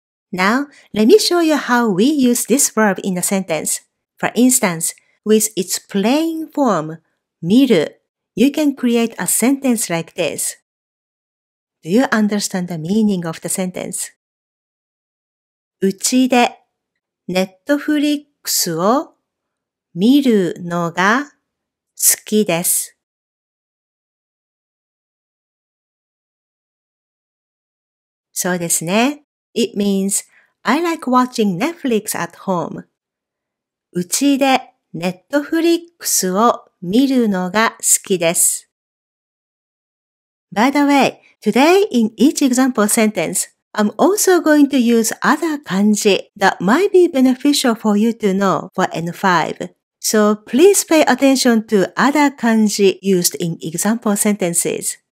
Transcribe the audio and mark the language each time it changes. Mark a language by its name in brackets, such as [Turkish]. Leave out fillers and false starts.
[English] Now, let me show you how we use this verb in a sentence. For instance, with its plain form, 見る, you can create a sentence like this. Do you understand the meaning of the sentence? [Japanese] うちでネットフリックスを見るのが好きです。そうですね。 [English] It means, I like watching Netflix at home. [Japanese] うちでネットフリックスを見るのが好きです。 [English] By the way, today in each example sentence, I'm also going to use other kanji that might be beneficial for you to know for N5. So please pay attention to other kanji used in example sentences.